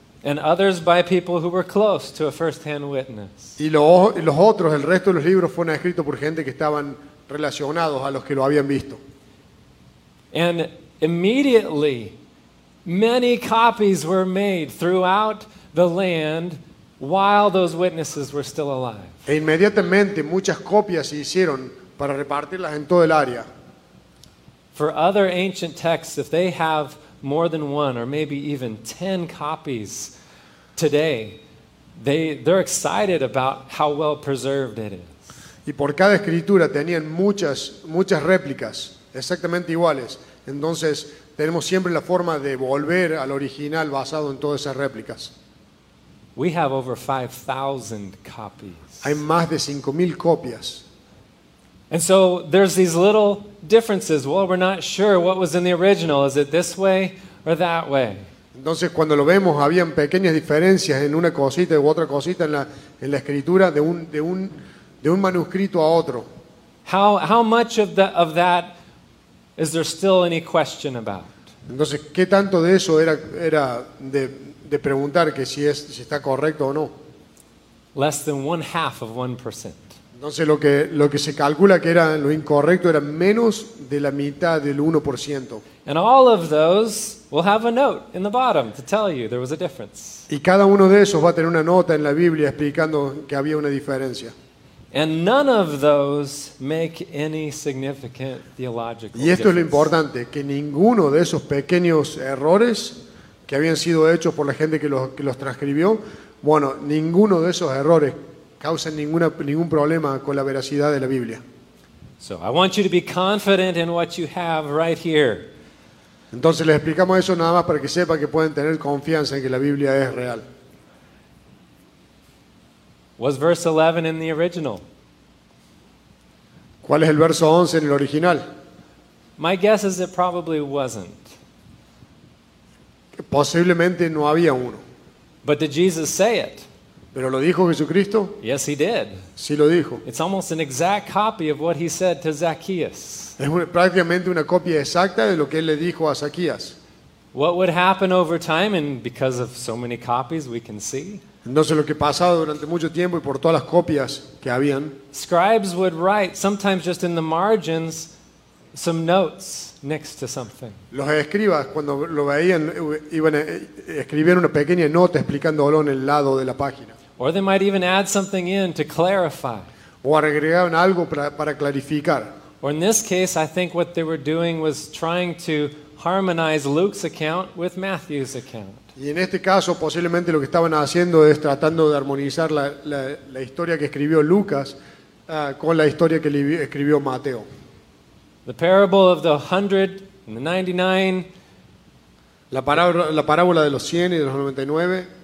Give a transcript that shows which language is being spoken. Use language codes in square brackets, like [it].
[en] And others by people who were close to a first-hand witness. [es] Y los otros, el resto de los libros fueron escritos por gente que estaban relacionados a los que lo habían visto. [en] And immediately, many copies were made throughout the land while those witnesses were still alive. [es] E inmediatamente muchas copias se hicieron para repartirlas en todo el área. [en] For other ancient texts, if they have more than one or maybe even 10 copies today, they're excited about how well preserved it is. [es] Y por cada escritura tenían muchas, muchas réplicas exactamente iguales. Entonces tenemos siempre la forma de volver al original basado en todas esas réplicas. [en] We have over 5,000 copies. [es] Hay más de 5,000 copias. [en] And so there's these little differences. Well, we're not sure what was in the original. Is it this way or that way? [es] Entonces, cuando lo vemos, habían pequeñas diferencias en una cosita u otra cosita en la escritura de un manuscrito a otro. [en] How much of that is there still any question about? [es] Entonces, ¿qué tanto de eso era de preguntar que si está correcto o no? [en] Less than 0.5%. [es] Entonces lo que se calcula que era lo incorrecto era menos de la mitad del 1%. [en] And all of those will have a note in the bottom to tell you there was a difference. [es] Y cada uno de esos va a tener una nota en la Biblia explicando que había una diferencia. [en] And none of those make any significant theological [es] difference. Y esto es lo importante, que ninguno de esos pequeños errores que habían sido hechos por la gente que los transcribió, bueno, ninguno de esos errores causa ningún problema con la veracidad de la Biblia. [en] So I want you to be confident in what you have right here. [es] Entonces les explicamos eso nada más para que sepan que pueden tener confianza en que la Biblia es real. [en] Was verse 11 in the original? [es] ¿Cuál es el verso 11 en el original? [en] My guess is it probably wasn't. [es] Posiblemente no había uno. [en] But did Jesus say it? [es] ¿Pero lo dijo Jesucristo? [en] Yes, he did. [es] Sí lo dijo. [en] It's almost an exact copy of what he said to Zacchaeus. [es] Es prácticamente una copia exacta de lo que él le dijo a Zacchaeus. [en] What would happen over time, and because of so many copies we can see? [es] Entonces lo que pasaba durante mucho tiempo y por todas las copias que habían. [en] Scribes would write sometimes just in the margins some notes next to something. [es] Los escribas cuando lo veían iban a escribir una pequeña nota explicándolo en el lado de la página. [en] Or they might even add something in to clarify. [es] O agregaban algo para clarificar. [en] Or in this case, I think what they were doing was trying to harmonize Luke's account with Matthew's account. [es] Y en este caso posiblemente lo que estaban haciendo es tratando de armonizar la historia que escribió Lucas con la historia que escribió Mateo. [en] The parable of the 100 and the 99. [es] La parábola de los 100 y de los 99